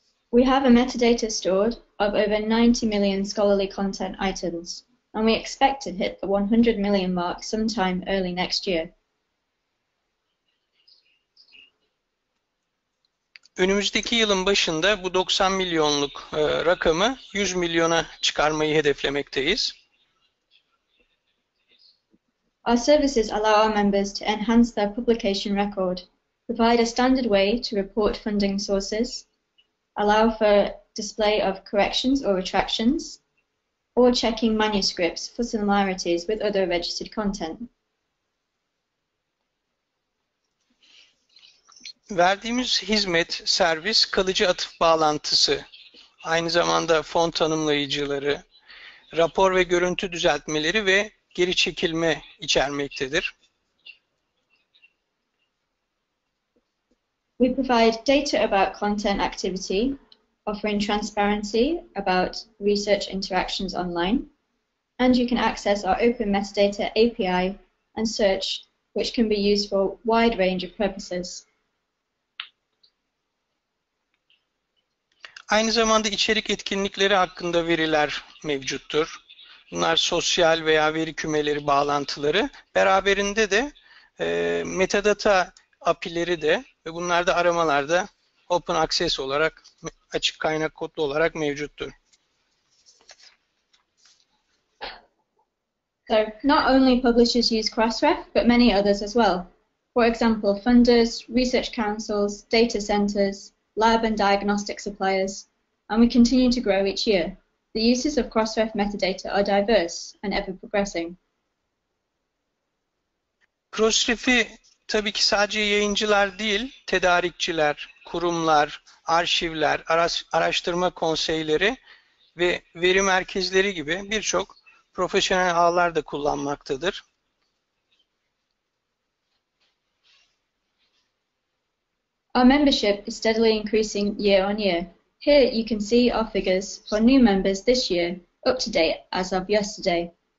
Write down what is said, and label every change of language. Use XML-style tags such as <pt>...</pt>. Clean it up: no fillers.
<en>We have a metadata stored of over 90 million scholarly content items, and we expect to hit the 100 million mark sometime early next year.</en> <tr>Önümüzdeki yılın başında bu 90 milyonluk rakamı 100 milyona çıkarmayı hedeflemekteyiz.</tr> <en>Our services allow our members to enhance their publication record, provide a standard way to report funding sources, allow for display of corrections or retractions, or checking manuscripts for similarities with other registered content.</en> <tr>Verdiğimiz hizmet, servis, kalıcı atıf bağlantısı, aynı zamanda fon tanımlayıcıları, rapor ve görüntü düzeltmeleri ve geri çekilme içermektedir.</tr> <en>We provide data about content activity, offering transparency about research interactions online, And you can access our open metadata API and search, which can be used for a wide range of purposes.</en> <tr>Aynı zamanda içerik etkinlikleri hakkında veriler mevcuttur. Bunlar sosyal veya veri kümeleri bağlantıları. Beraberinde de metadata API'leri de ve bunlar da aramalarda</tr> <en>open access</en> <tr>olarak, açık kaynak kodlu olarak mevcuttur.</tr> <en>So, not only publishers use Crossref, but many others as well. For example, funders, research councils, data centers, lab and diagnostic suppliers, and we continue to grow each year. The uses of Crossref metadata are diverse and ever progressing.</en> <tr>Crossref'i tabii ki sadece yayıncılar değil, tedarikçiler, kurumlar, arşivler, araştırma konseyleri ve veri merkezleri gibi birçok profesyonel ağlar da kullanmaktadır.</tr> <en>Our membership is steadily increasing year on year. Here you can see our figures for new members this year, up to date as of yesterday.</en>